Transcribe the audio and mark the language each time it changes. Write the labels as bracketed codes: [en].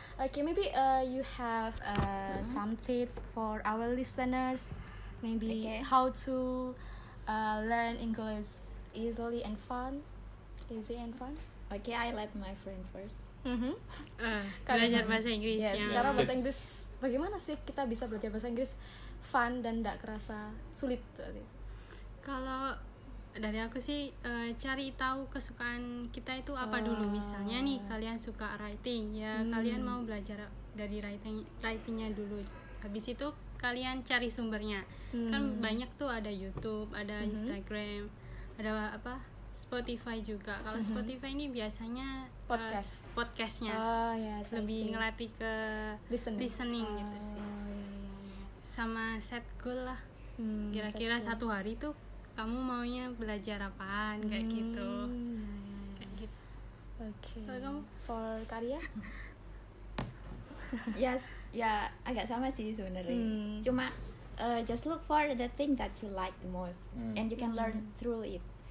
[en] Okay, maybe you have some tips for our listeners. Maybe how to learn English easily and fun. Easy and fun. Okay, I let my friend first. [id] Belajar bahasa Inggris. [en] Yes, [id] yang cara bahasa Inggris. Bagaimana sih kita bisa belajar bahasa Inggris fun dan tidak kerasa sulit? Kalau dari aku sih, cari tahu kesukaan kita itu apa dulu. Misalnya nih, kalian suka writing, ya kalian mau belajar dari writingnya dulu. Habis itu kalian cari sumbernya. Kan banyak tuh, ada YouTube, ada Instagram, ada apa, Spotify juga. Kalau Spotify ini biasanya podcastnya. Oh, yes, lebih ngelatih ke [en] listening [id] gitu sih. [en] Yeah. [id] Sama set goal lah. Kira-kira satu hari tuh kamu maunya belajar apaan, kayak gitu. Kayak gitu. [en] Okay. So, kamu for karya? [id] ya, agak sama sih sebenarnya. [en] Cuma just look for the thing that you like the most and you can learn through it.